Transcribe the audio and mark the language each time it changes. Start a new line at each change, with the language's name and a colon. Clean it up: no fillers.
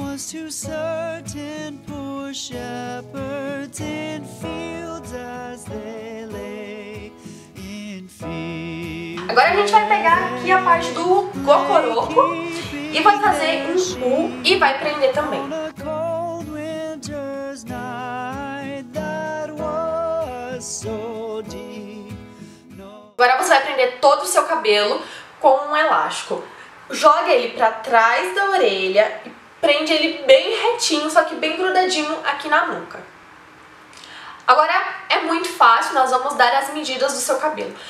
English: To certain poor shepherds in fields as they lay in fields.
Portuguese: Agora a gente vai pegar aqui a parte do cocoroco e vai fazer um U e vai prender também.
English: On a cold winter's night that was so deep.
Portuguese: Agora você vai prender todo o seu cabelo com um elástico. Joga ele pra trás da orelha e prende ele bem retinho, só que bem grudadinho aqui na nuca. Agora, é muito fácil, nós vamos dar as medidas do seu cabelo.